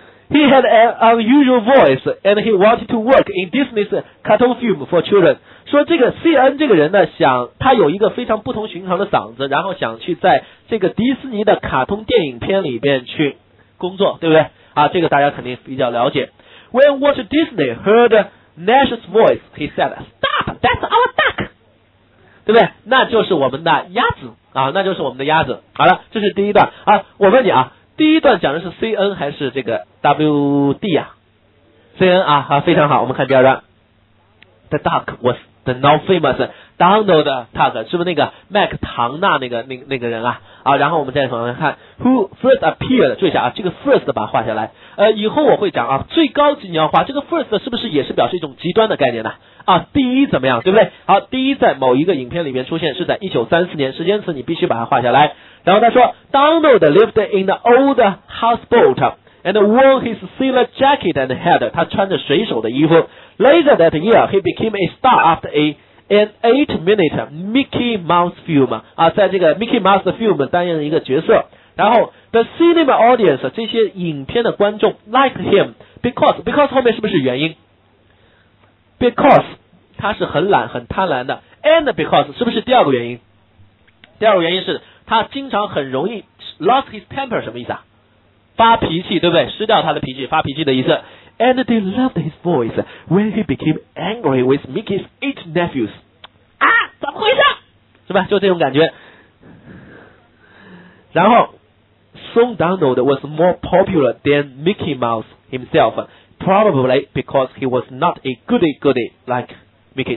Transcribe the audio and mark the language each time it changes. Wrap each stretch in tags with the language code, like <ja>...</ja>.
<en>He had an unusual voice and he wanted to work in Disney's cartoon film for children.</en> <zh>说这个 CN 这个人呢，想他有一个非常不同寻常的嗓子，然后想去在这个迪士尼的卡通电影片里边去工作，对不对啊？这个大家肯定比较了解。</zh> <en>When Walt Disney heard Nash's voice, he said, Stop, that's our duck.</en> <zh>对不对？那就是我们的鸭子啊，那就是我们的鸭子。好了，这是第一段啊。我问你啊，第一段讲的是 CN 还是这个 WD 啊？ CN 啊，啊，非常好，我们看第二段。</zh> <en>The duck was the now famous Donald Duck，</en> <zh>是不是那个麦克唐纳那个人啊？啊，然后我们再往下看 ，</zh> <en>Who first appeared？</en> <zh>注意一下啊，这个 first 把它画下来。以后我会讲啊，最高级你要画这个 first 是不是也是表示一种极端的概念呢？啊，第一怎么样，对不对？好，第一在某一个影片里面出现，是在1934年，时间词你必须把它画下来。</zh> <en>然后他说 ，Donald lived in the old houseboat and wore his sailor jacket and hat。</en> <zh>他穿着水手的衣服。</zh> <en>Later that year, he became a star after an 8-minute Mickey Mouse film 啊，在这个 Mickey Mouse film</en> <zh>担任一个角色。然后</zh> <en>the cinema audience</en> <zh>这些影片的观众</zh> <en>liked him because</en> <zh>后面是不是原因 ？Because 他是很懒很贪婪的 ，and because 是不是第二个原因？第二个原因是。他经常很容易</zh> <en>lost his temper，</en> <zh>什么意思啊？发脾气，对不对？失掉他的脾气，发脾气的意思。</zh> <en>And they loved his voice when he became angry with Mickey's 8 nephews。</en> <zh>啊，怎么回事？是吧？就这种感觉。</zh> <en>然后 ，Soon Donald was more popular than Mickey Mouse himself， probably because he was not a goody goody like Mickey。</en>